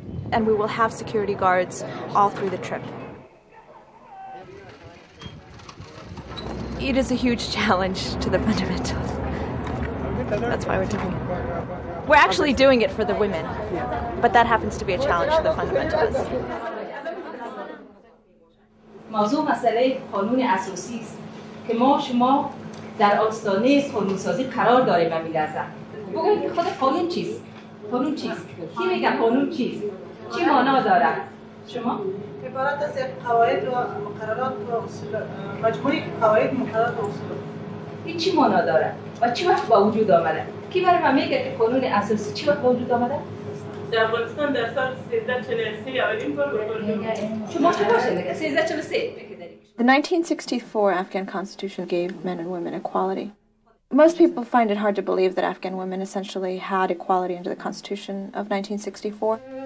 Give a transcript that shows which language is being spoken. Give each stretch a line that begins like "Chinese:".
English: And we will have security guards all through the trip. It is a huge challenge to the fundamentals. That's why we're doing it. We're actually doing it for the women, but that happens to be a challenge to the fundamentalists.
Persian: موضوع مسئله قانون اساسی است که ما شما در آستانه قانونسازی قرار داریم و می‌لرزیم. بگویید خود قانون چیست؟ قانون چیست؟ کی میگه قانون چیست؟ چی معنا داره؟ شما؟ عبارت از قواعد و مقررات و اصول مجموعه قواعد مقررات و اصول. این چی معنا داره؟ و چی وقت با وجود آمده؟ کی برای ما میگه که قانون اساسی چی وقت با وجود آمده؟
English: The 1964 Afghan constitution gave men and women equality. Most people find it hard to believe that Afghan women essentially had equality under the constitution of 1964.